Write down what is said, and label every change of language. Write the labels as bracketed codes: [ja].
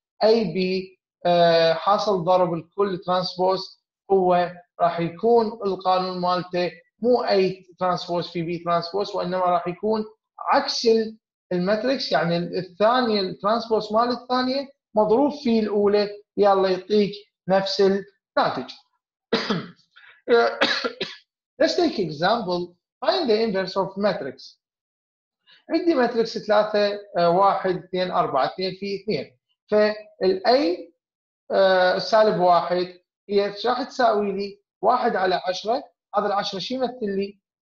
[ar] اي بي حاصل ضرب الكل ترانسبوز هو راح يكون القانون مالته مو اي ترانسبوز في بي ترانسبوز، وانما راح يكون عكس الماتريكس، يعني الثانيه الترانسبوز مال الثانيه مضروب في الاولى يلا يعطيك نفس الناتج. [en] Let's take example, find the inverse of matrix. [ar] عندي ماتريكس 3 1 2 4 2 في 2، فالاي سالب 1 هي ايش راح تساوي لي؟ 1 على 10، هذا ال 10 شو يمثل لي؟